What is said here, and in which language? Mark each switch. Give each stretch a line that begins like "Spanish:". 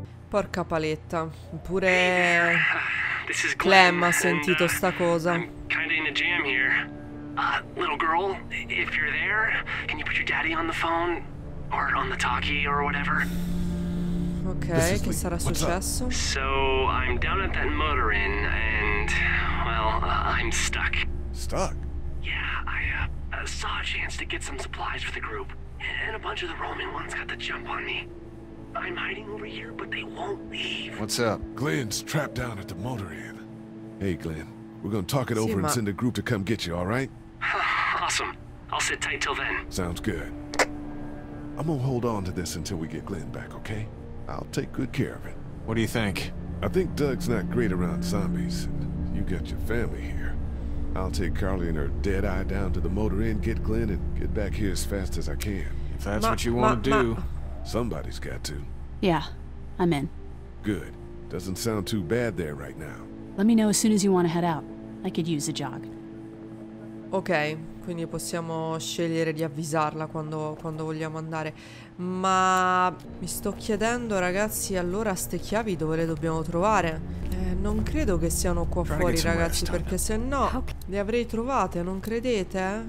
Italian: Porca paletta, pure Clem ha sentito sta cosa.
English: I'm kinda in a jam here. Little girl, if you're there, can you put your daddy on the phone? Or on the talkie or whatever? Ok, che sarà successo? So, I'm down at that motor inn and, well, I'm stuck. Stuck? Yeah, I saw a chance to get some supplies for the group. And a bunch of the roaming ones got the jump on me. I'm hiding over here, but they won't leave. What's up? Glenn's trapped down at the motor inn. Hey, Glenn, we're gonna talk it over and send a group to come get you, alright? Awesome. I'll sit tight till then. Sounds good. I'm gonna hold on to this until we get Glenn back, okay? I'll take good care of it. What do you think? I think Doug's not great around zombies, and you got your family here. I'll take Carly and her dead eye down to the motor inn, get Glenn, and get back here as fast as I can. If that's what you want to do. Somebody's got to. Yeah, I'm in. Good. Doesn't sound too bad there right now. Let me know as soon as you want to head out. I could use a jog.
Italian: Okay, quindi possiamo scegliere di avvisarla quando, quando vogliamo andare. Ma mi sto chiedendo, ragazzi, allora ste chiavi dove le dobbiamo trovare? Non credo che siano qua fuori, ragazzi, perché se no le avrei trovate, non credete?